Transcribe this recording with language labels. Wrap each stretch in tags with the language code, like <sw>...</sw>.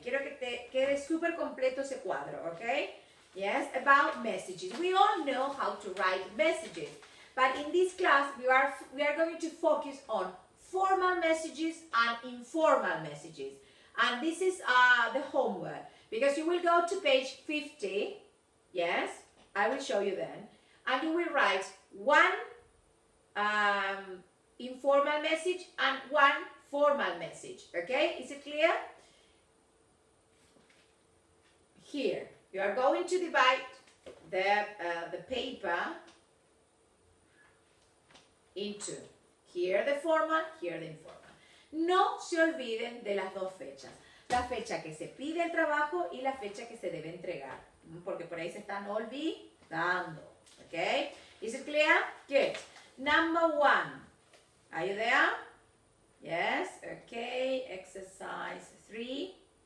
<es>Quiero que te quede super completo ese cuadro, okay?</es> <en>Yes, about messages. We all know how to write messages, but in this class we are going to focus on formal messages and informal messages. And this is the homework, because you will go to page 50. Yes, I will show you then. And you will write one informal message and one formal message. Okay, is it clear? Here, you are going to divide the paper into here the formal, here the informal.</en> <es>No se olviden de las dos fechas. La fecha que se pide el trabajo y la fecha que se debe entregar. Porque por ahí se están olvidando.</es> <en>Okay, is it clear? Good. Number 1. Are you there? Yes. Okay, exercise 3.</en>